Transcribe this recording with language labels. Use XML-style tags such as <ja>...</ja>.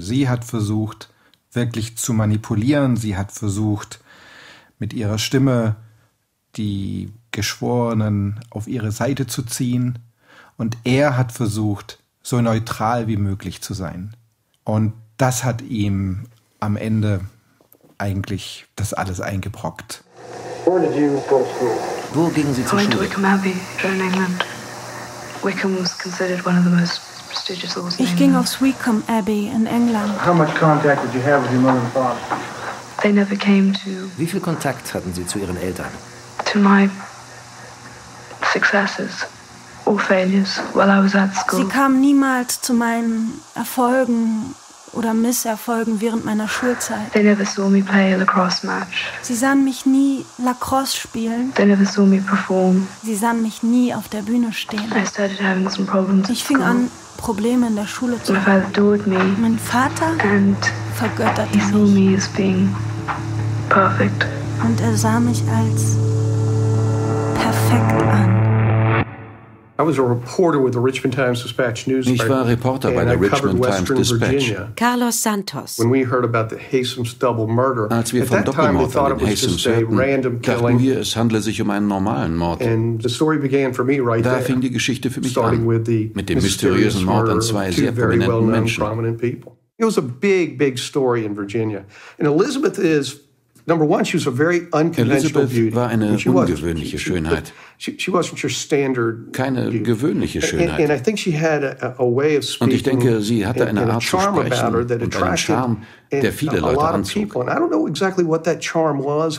<de>Sie hat versucht, wirklich zu manipulieren. Sie hat versucht, mit ihrer Stimme die Geschworenen auf ihre Seite zu ziehen. Und er hat versucht, so neutral wie möglich zu sein. Und das hat ihm am Ende eigentlich das alles eingebrockt.</de> <en>Where did you go to school?</en> <de>Wo gingen Sie zur Schule?</de> <en>I went to Wickham Abbey, in England. Wickham was considered one of the most prestigious schools.</en> <de>Ich ging aufs Wickham Abbey in England.</de> <en>How much contact did you have with your mother and father? They never came to.</en> <de>Wie viel Kontakt hatten Sie zu Ihren Eltern?</de> <en>To my successes. Or failures while I was at school.</en> <de>Sie kamen niemals zu meinen Erfolgen oder Misserfolgen während meiner Schulzeit.</de> <en>They never saw me play a lacrosse match.</en> <de>Sie sahen mich nie Lacrosse spielen.</de> <en>They never saw me perform.</en> <de>Sie sahen mich nie auf der Bühne stehen.</de> <en>I started having some problems.</en> <de>Ich fing an, Probleme in der Schule zu haben.</de> <en>My father adored me.</en> <de>Mein Vater vergötterte mich.</de> <en>He saw me as being perfect.</en> <de>Und er sah mich als perfekt an.</de> <en>I was a reporter with the Richmond Times-Dispatch News.</en> <de>Ich war Reporter bei der Richmond Times-Dispatch.</de> <en>Carlos Santos. When we heard about the Haysom's double murder,</en> <de>als wir vom Doppelmord an den Haysoms hörten, dachten wir, es handle sich um einen normalen Mord.</de> <en>And the story began for me right</en> <de>da</de> <en>there.</en> <de>Fing die Geschichte für mich an, mit dem mysteriösen Mord an zwei sehr prominenten Menschen.</de> <en>It was a big, big story in Virginia. And Elizabeth is, number one, she was a very unconventional beauty.</en> <de>Elizabeth war eine ungewöhnliche Schönheit.</de> <en>She wasn't your standard.</en> <de>Keine gewöhnliche Schönheit.</de> <en>And I think she had a way of speaking.</en> <de>Und ich denke, sie hatte eine Art zu sprechen und einen Charme, der viele Leute anzog.</de> <en>And I don't know exactly what that charm was.</en>